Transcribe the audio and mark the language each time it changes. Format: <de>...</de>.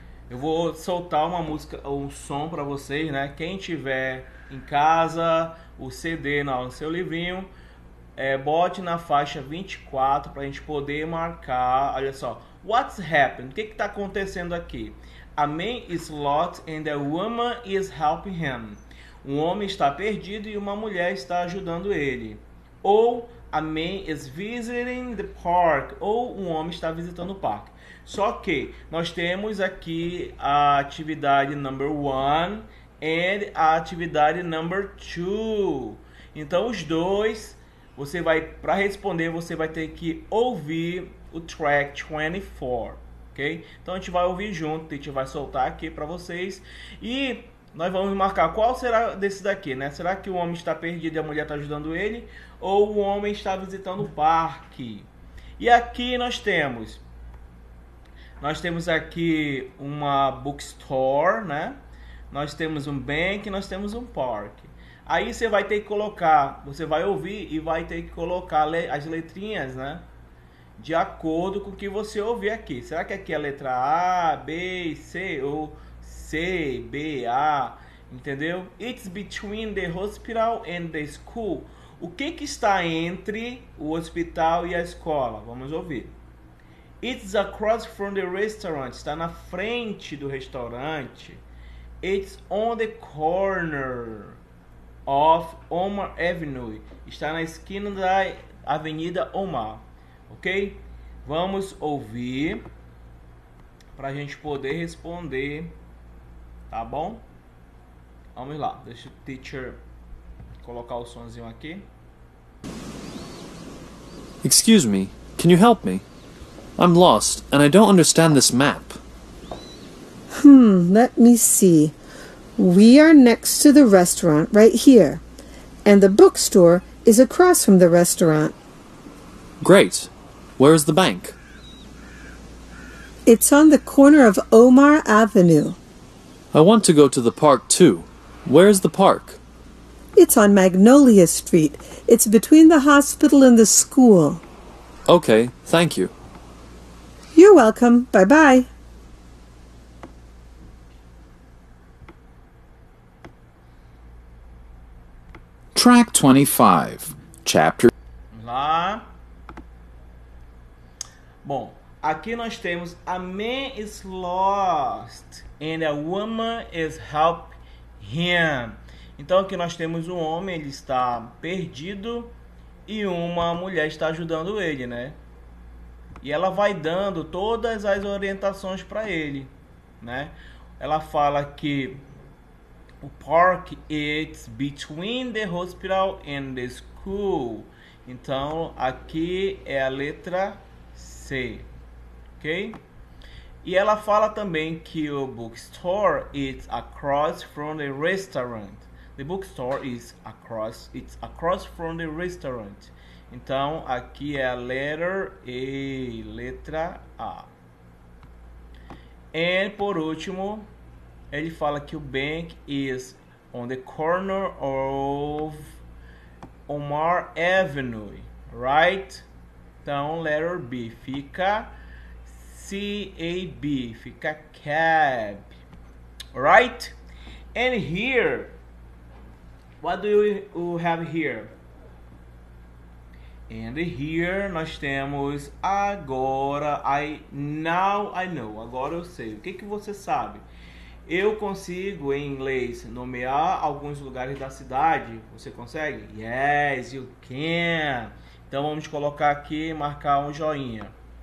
<pt>Eu vou soltar uma música, um som para vocês, né? Quem tiver em casa o CD no seu livrinho, bote na faixa 24 para a gente poder marcar. Olha só,</pt> <en>what's happened?</en> <pt>O que está acontecendo aqui?</pt> <en>A man is lost and a woman is helping him.</en> <pt>Um homem está perdido e uma mulher está ajudando ele.</pt> <en>Ou a man is visiting the park.</en> <pt>Ou um homem está visitando o parque. Só que nós temos aqui a atividade</pt> <en>number one and a</en> <pt>atividade</pt> <en>number two.</en> <pt>Então os dois, você vai, para responder, você vai ter que ouvir o track 24, ok? Então a gente vai ouvir junto, a gente vai soltar aqui para vocês. E nós vamos marcar qual será desse daqui, né? Será que o homem está perdido e a mulher está ajudando ele? Ou o homem está visitando o parque? E aqui nós temos, nós temos aqui uma bookstore, né? Nós temos um bank, nós temos um parque. Aí você vai ter que colocar, você vai ouvir e vai ter que colocar as letrinhas, né? De acordo com o que você ouvir aqui. Será que aqui é a letra A, B, C ou C, B, A? Entendeu?</pt> <en>It's between the hospital and the school.</en> <pt>O que que está entre o hospital e a escola? Vamos ouvir.</pt> <en>It's across from the restaurant.</en> <pt>Está na frente do restaurante.</pt> <en>It's on the corner of Omar Avenue.</en> <pt>Está na esquina da Avenida Omar. Ok? Vamos ouvir para a gente poder responder. Tá bom? Vamos lá. Deixa o teacher colocar o sonzinho aqui.</pt> <en>Excuse me. Can you help me? I'm lost, and I don't understand this map. Let me see. We are next to the restaurant right here, and the bookstore is across from the restaurant. Great. Where is the bank? It's on the corner of Omar Avenue. I want to go to the park, too. Where is the park? It's on Magnolia Street. It's between the hospital and the school. Okay, thank you. You're welcome. Bye-bye. Track 25, chapter...</en> <pt>Vamos lá. Bom, aqui nós temos</pt> <en>a man is lost and a woman is helping him.</en> <pt>Então aqui nós temos um homem, ele está perdido e uma mulher está ajudando ele, né? E ela vai dando todas as orientações para ele, né? Ela fala que o</pt> <en>park is between the hospital and the school.</en> <pt>Então, aqui é a letra C, ok? E ela fala também que o</pt> <en>bookstore is across from the restaurant. The bookstore is across, it's across from the restaurant.</en> <pt>Então, aqui é a</pt> <en>letter A,</en> <pt>letra A. E, por último, ele fala que o</pt> <en>bank is on the corner of Omar Avenue, right?</en> <pt>Então,</pt> <en>letter B</en> <pt>fica</pt> <en>C-A-B,</en> <pt>fica</pt> <en>cab, right? And here, what do you have here? And here,</en> <pt>nós temos agora,</pt> <en>now I know,</en> <pt>agora eu sei. O que, que você sabe? Eu consigo, em inglês, nomear alguns lugares da cidade? Você consegue?</pt> <en>Yes, you can.</en> <pt>Então, vamos colocar aqui, marcar um joinha.</pt>